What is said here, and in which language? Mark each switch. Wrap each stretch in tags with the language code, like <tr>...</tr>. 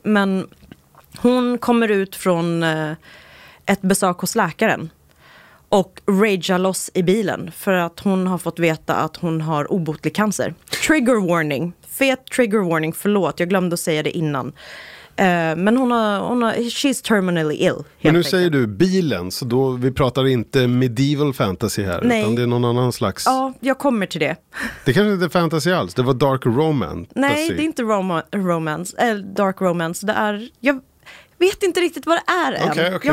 <sv>Men hon kommer ut från ett besök hos läkaren och ragear loss i bilen för att hon har fått veta att hon har obotlig cancer. Trigger warning, fet trigger warning, förlåt, jag glömde att säga det innan. Men hon har,</sv> <en>she's terminally ill.</en> <sv>Men nu säger du bilen, så då, vi pratar inte</sv> <en>medieval fantasy</en> <sv>här. Nej. Utan det är någon annan slags... Ja, jag kommer till det. Det kanske inte är fantasy alls, det var dark romance. Nej, det är inte dark romance. Det är, jag vet inte riktigt vad det är än. Okay.</sv>